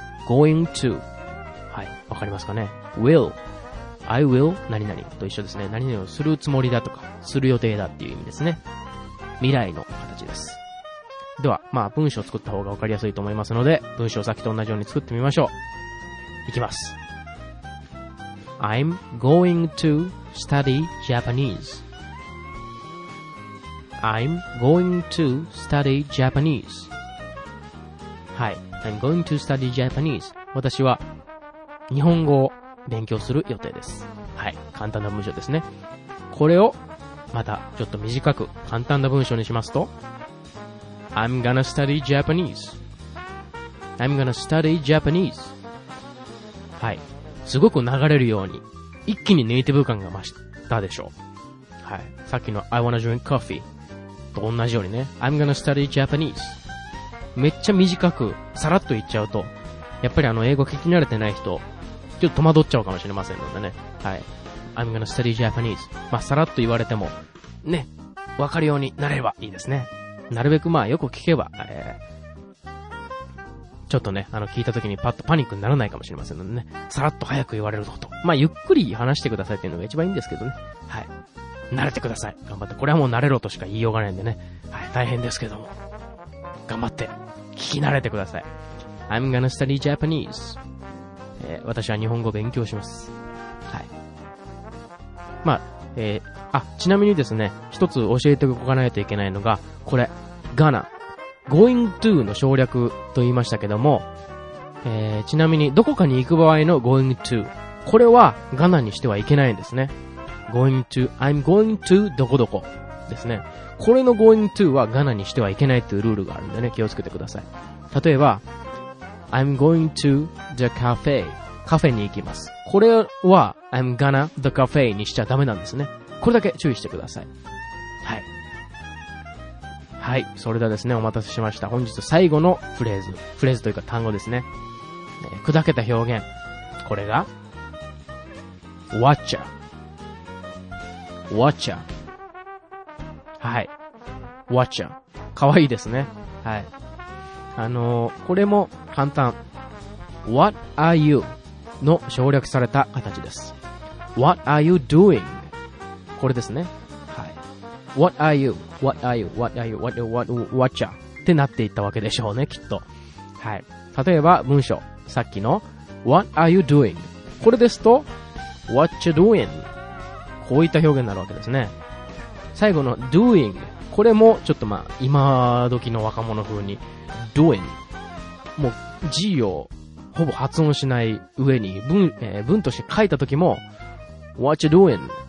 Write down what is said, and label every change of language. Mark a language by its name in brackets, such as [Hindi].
[Japanese] going to。 はい。わかりますかね。will。 I will 何々と一緒ですね。何々をするつもりだとか、する予定だっていう意味ですね。未来の形です。では、まあ文章を作った方がわかりやすいと思いますので、文章をさっきと同じように作ってみましょう。いきます。 [English] I'm going to study Japanese. I'm going to study Japanese. [Japanese] はい。 [English] I'm going to study Japanese. [Japanese] 私は日本語を勉強する予定です。はい。簡単な文章ですね。これをまたちょっと短く簡単な文章にしますと [English] I'm gonna study Japanese. I'm gonna study Japanese. [Japanese] はい。すごく流れるように一気にネイティブ感が増したでしょう。はい。さっきの [English] I wanna drink coffee. [Japanese] と同じようにね、 [English] I'm gonna study Japanese。 [Japanese] めっちゃ短くさらっと言っちゃうとやっぱり英語聞き慣れてない人ちょっと戸惑っちゃうかもしれませんのでね、はい、 [English] I'm gonna study Japanese。 [Japanese] まあさらっと言われてもね、わかるようになればいいですね。なるべくまあよく聞けば、ちょっとね、聞いた時にパッとパニックにならないかもしれませんのでね、さらっと早く言われるぞと、まあゆっくり話してくださいっていうのが一番いいんですけどね、はい、慣れてください。頑張って。これはもう慣れろとしか言いようがないんでね。はい。大変ですけども。頑張って。聞き慣れてください。 [English] I'm gonna study Japanese.、 [Japanese] 私は日本語を勉強します。はい。まあ、ちなみにですね、一つ教えておかないといけないのが、これ、gonna。 going to の省略と言いましたけども、ちなみに、どこかに行く場合の going to。これは、gonna にしてはいけないんですね。 [English] going to, I'm going to [Japanese] どこどこですね。これの going to は gonna にしてはいけないというルールがあるんでね、気をつけてください。例えば、 [English] I'm going to the cafe [Japanese] カフェに行きます。これは [English] I'm gonna the cafe [Japanese] にしちゃダメなんですね。これだけ注意してください。はい。はい、それではですね、お待たせしました。本日最後のフレーズというか単語ですね。砕けた表現。これが、watcher。 watcher。 はい。watcher。 かわいいですね。はい。これも簡単。 [English] what are you? [Japanese] の省略された形です。 [English] what are you doing? これですね。はい。what are you? what are you? what are you? what are you? what watcher? [Japanese] ってなっていったわけでしょうね、きっと。はい。例えば文章。さっきの [English] what are you doing? [Japanese] これですと [English] what you doing? [Japanese] こういった表現になるわけですね。最後の doing、 これもちょっとまあ今時の若者風に doing、 もう G をほぼ発音しない上に文として書いた時も [English] What you doing?